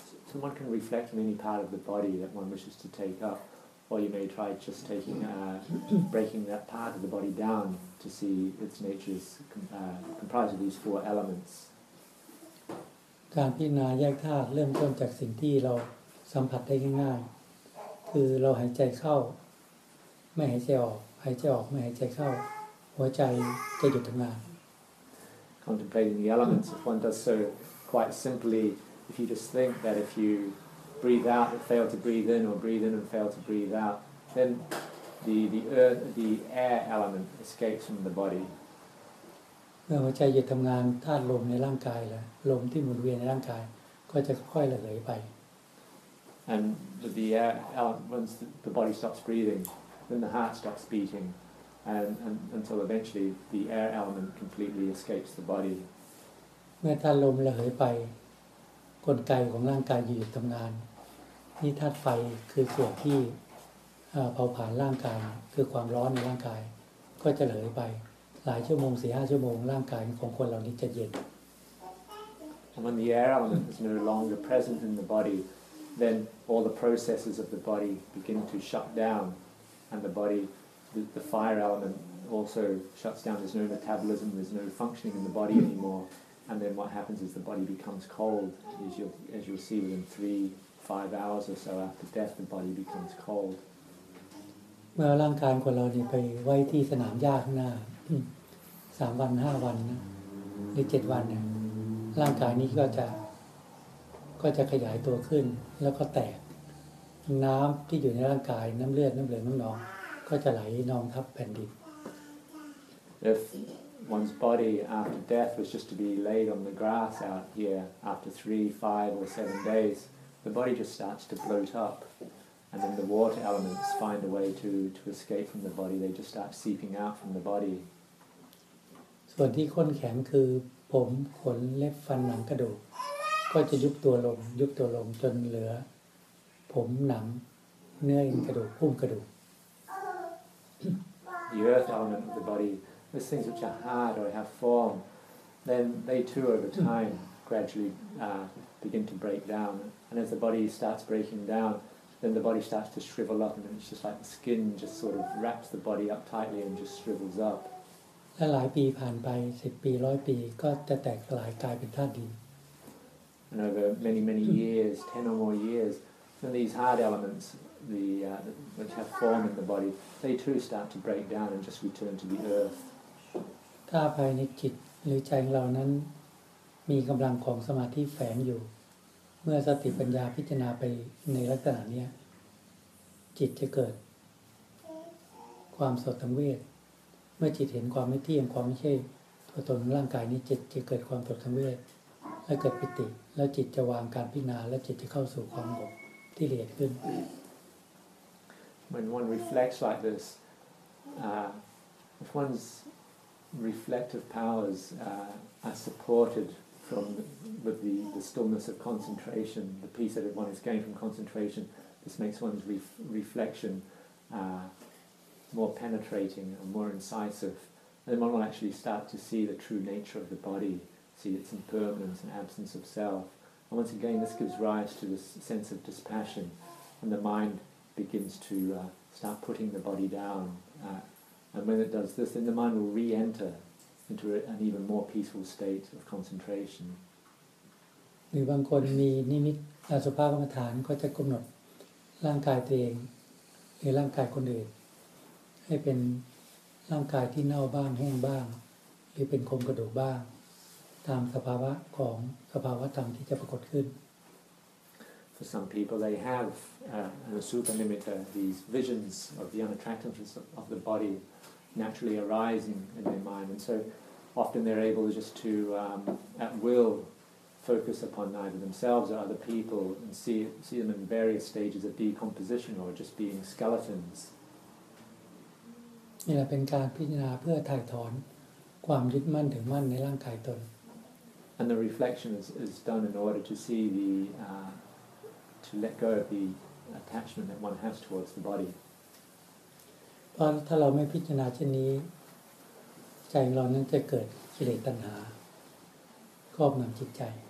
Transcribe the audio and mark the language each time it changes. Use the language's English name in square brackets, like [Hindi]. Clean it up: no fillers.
[English] So one can reflect on any part of the body that one wishes to take up, or you may try just taking, breaking that part of the body down to see its nature is comprised of these four elements. [Thai] การพิจารณาแยกธาตุเริ่มต้นจากสิ่งที่เราสัมผัสได้ง่ายๆคือเราหายใจเข้าไม่หายใจออกหายใจออกไม่หายใจเข้าหัวใจจะหยุดทำงาน [English] Contemplating the elements if one does so quite simply if you just think that if you breathe out and fail to breathe in or breathe in and fail to breathe out then the air element escapes from the body [Thai] เมื่อหัวใจหยุดทำงานธาตุลมในร่างกายแล้วลมที่หมุนเวียนในร่างกายก็จะค่อยๆระเหยไป [English] and the air elements the body stops breathing then the heart stops beating and until eventually the air element completely escapes the body [Thai] เมื่อธาตุลมระเหยไปกลไกของร่างกายหยุดทำงานนี่ธาตุไฟคือส่วนที่เผาผลาญร่างกายคือความร้อนในร่างกายก็จะระเหยไปหลายชั่วโมง 4-5 ชั่วโมงร่างกายของคนเหล่านี้จะเย็น [English] And when the air element is no longer present in the body then all the processes of the body begin to shut down and the body the fire element also shuts down there's no metabolism there's no functioning in the body anymore and then what happens is the body becomes cold as you'll see within 3-5 hours or so after death the body becomes cold [Thai] เมื่อร่างกายของเรานี่ไปไว้ที่สนามหญ้าข้างหน้า3วัน5วันนะหรือ7วันเนี่ยร่างกายนี้ก็จะขยายตัวขึ้นแล้วก็แตกน้ำที่อยู่ในร่างกายน้ำเลือดน้ำเหลืองน้ำหนองก็จะไหลนองทับแผ่นดิน [English] If one's body after death was just to be laid on the grass out here after 3, 5, or 7 days the body just starts to bloat up and then the water elements find a way to escape from the body they just start seeping out from the body [Thai] ส่วนที่ข้นแข็งคือผมขนเล็บฟันหนังกระดูกก็จะยุบตัวลงยุบตัวลงจนเหลือผมหนังเนื้อเอ็นกระดูกพุ่มกระดูก [English] The earth element of the body, the things which are hard or have form, then they too over time gradually begin to break down. And as the body starts breaking down, then the body starts to shrivel up, and it's just like the skin just sort of wraps the body up tightly and just shrivels up. [Thai] ถ้าหลายปีผ่านไป10ปี100ปีก็จะแตกสลายกลายเป็นธาตุดิน [English] And over many many years 10 or more years then these hard elements which have form in the body they too start to break down and just return to the earth [Thai] ถ้าภายในจิตหรือใจของเรานั้นมีกำลังของสมาธิแฝงอยู่เมื่อสติปัญญาพิจารณาไปในลักษณะนี้จิตจะเกิดความสังเวชเมื่อจิตเห็นความไม่เที่ยงความไม่ใช่ตัวตนร่างกายนี้จะเกิดความสังเวชและเกิดปิติแล้วจิตจะวางการพิจารณาและจิตจะเข้าสู่ความสงบที่ละเอียดขึ้น [English] When one reflects like this if one's reflective powers are supported from with the stillness of concentration the peace that one is gained from concentration this makes one's reflectionmore penetrating and more incisive then one will actually start to see the true nature of the body see its impermanence and absence of self and once again this gives rise to this sense of dispassion and the mind begins to start putting the body down and when it does this then the mind will re-enter into an even more peaceful state of concentration [Thai] หรือบางคนมีนิมิตอสุภกรรมฐานก็จะกำหนดร่างกายตัวเองหรือร่างกายคนอื่นให้เป็นร่างกายที่เน่าบ้างแห้งบ้างหรือเป็นโครงกระดูกบ้างตามสภาวะของสภาวะธรรมที่จะปรากฏขึ้น [English] For some people they have an asupa nimitta these visions of the unattractiveness of the body naturally arising in their mind and so often they're able just to at will focus upon either themselves or other people and see them in various stages of decomposition or just being skeletons [Thai] นี่แหละเป็นการพิจารณาเพื่อถ่ายถอนความยึดมั่นถือมั่นในร่างกายตน [English] And the reflection is done in order to see the to let go of the attachment that one has towards the body [Thai] เพราะถ้าเราไม่พิจารณาเช่นนี้ใจเรานั้นจะเกิดกิเลสตัณหาครอบงำจิตใจ